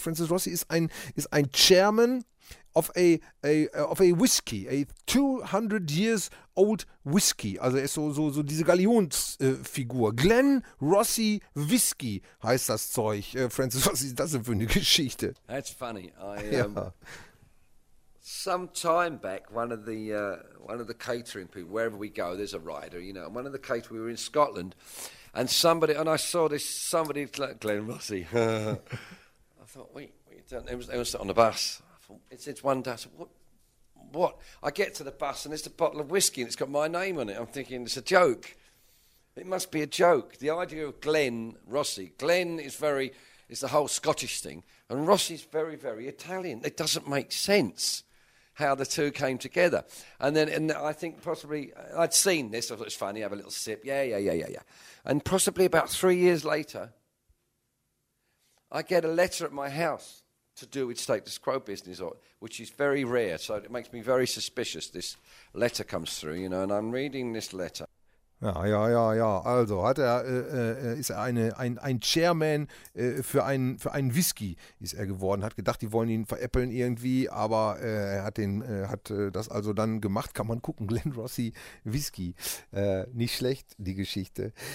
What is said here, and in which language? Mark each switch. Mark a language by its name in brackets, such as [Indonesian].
[English] Francis Rossi [German] ist ein [English] Chairman of a whiskey, a 200 years old whiskey. [German] Also er ist so diese Galionsfigur. Glen Rossi Whiskey heißt das Zeug. Francis, was ist das denn für eine Geschichte? [English] That's funny. Some time back, one of the catering people, wherever we go, there's a rider, you know, one of the caterers, we were in Scotland, and I saw this, somebody like Glen Rossi. I thought, it was on the bus. It's one day. I said, what? I get to the bus and it's a bottle of whiskey and it's got my name on it. I'm thinking it's a joke. It must be a joke. The idea of Glen Rossi. Glen is very, it's the whole Scottish thing. And Rossi's very, very Italian. It doesn't make sense how the two came together. And I think possibly, I'd seen this. I thought it's funny. Have a little sip. Yeah. And possibly about 3 years later, I get a letter at my house to do with status quo business, which is very rare. So it makes me very suspicious. This letter comes through, you know, and I'm reading this letter. [German] Ja. Also ist er ein Chairman für ein Whisky ist er geworden. Hat gedacht, die wollen ihn veräppeln irgendwie, aber er hat das also dann gemacht. Kann man gucken, Glen Rossi Whisky. Nicht schlecht, die Geschichte.